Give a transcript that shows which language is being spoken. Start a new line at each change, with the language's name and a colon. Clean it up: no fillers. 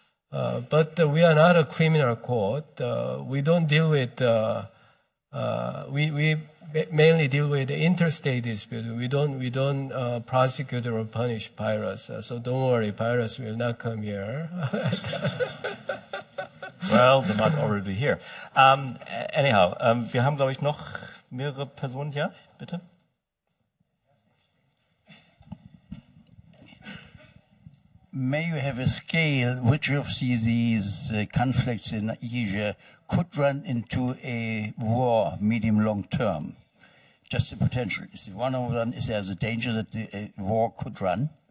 English: But we are not a criminal court. We mainly deal with interstate disputes. We don't prosecute or punish pirates. So don't worry, pirates will not come here. Well, they're not already here. Anyhow,
German: wir haben, glaube ich, noch mehrere Personen hier. Bitte.
English: may you have a scale which of these conflicts in Asia could run into a war medium long term? Just the potential. Is one of them, is there the danger that the war could run